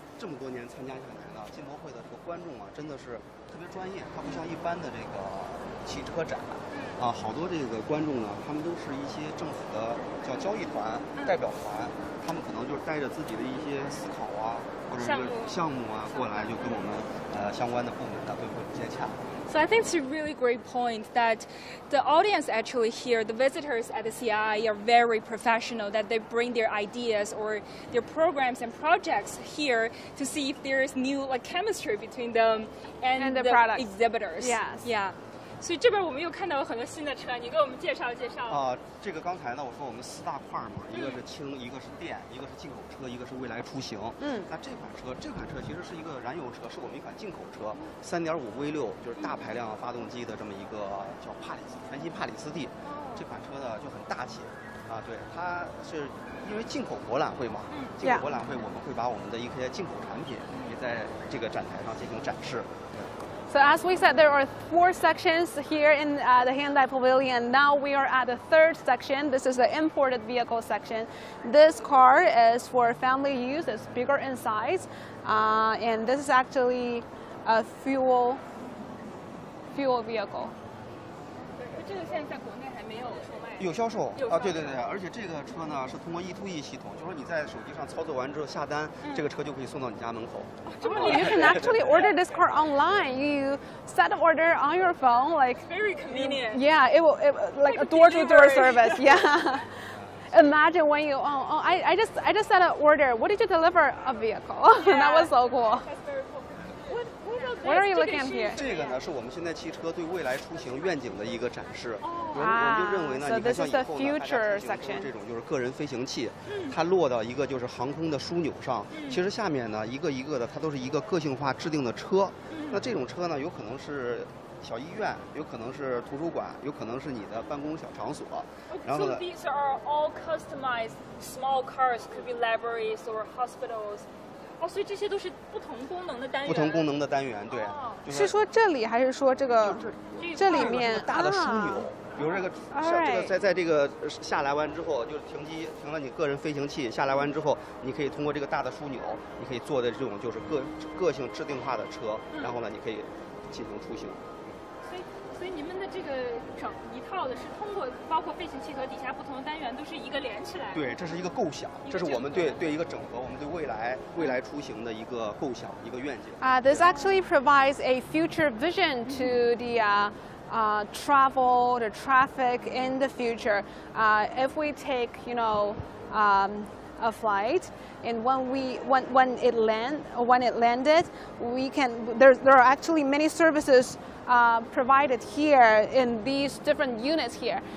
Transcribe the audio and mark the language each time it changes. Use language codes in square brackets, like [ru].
[zh] 这么多年参加下来呢，进博会的这个观众啊，真的是特别专业，它不像一般的这个汽车展，啊，好多这个观众呢，他们都是一些政府的叫交易团、代表团，他们可能就是带着自己的一些思考啊，或者是项目啊，过来就跟我们相关的部门呢，都会接洽。 [en] So I think it's a really great point that the audience actually here, the visitors at the CIIE are very professional, that they bring their ideas or their programs and projects here to see if there is new like, chemistry between them and the products. Exhibitors. Yes. Yeah. [zh] 所以这边我们又看到了很多新的车，你给我们介绍介绍。这个刚才呢，我说我们四大块嘛，一个是氢，一个是电，一个是进口车，一个是未来出行。那这款车其实是一个燃油车，是我们一款进口车，3.5V6，就是大排量发动机的这么一个叫全新帕里斯蒂。这款车呢就很大气，对，它是因为进口博览会嘛，进口博览会我们会把我们的一些进口产品也在这个展台上进行展示。 [en] So as we said, there are four sections here in the Hyundai Pavilion. Now we are at the third section. This is the imported vehicle section. This car is for family use. It's bigger in size. And this is actually a fuel vehicle. [zh] 有销售啊，对对对，而且这个车呢是通过 E2E 系统，就是你在手机上操作完之后下单，这个车就可以送到你家门口。这么厉害 [en] ！You can actually order this car online. You set the order on your phone, like very convenient. Yeah, it will like a door-to-door service. Yeah. Imagine when you I just set an order. What did you deliver a vehicle? That was so cool. What are you looking at here? [zh] 这个呢是我们现在汽车对未来出行愿景的一个展示。我就认为呢，你看像以后呢，大家出行就是这种就是个人飞行器，它落到一个就是航空的枢纽上。其实下面呢，一个一个的，它都是一个个性化制定的车。那这种车呢，有可能是小医院，有可能是图书馆，有可能是你的办公小场所。然后呢 [en] ，So these are all customized small cars, could be libraries or hospitals. [zh] 所以这些都是不同功能的单元。不同功能的单元，对。是说这里还是说这个？这里面大的枢纽，比如这个，在这个下来完之后，就是停机停了你个人飞行器，下来完之后，你可以通过这个大的枢纽，你可以坐的这种就是个性制定化的车，然后呢，你可以进行出行。所以你们的这个整一套的是通过包括飞行器和底下不同的单元都是一个连起来的。对，这是一个构想，这是我们对一个整合，我们对未来出行的一个构想，一个愿景。 [en] This actually provides a future vision to the travel, the traffic in the future. If we take, you know, a flight. And when it landed, there are actually many services provided here in these different units here.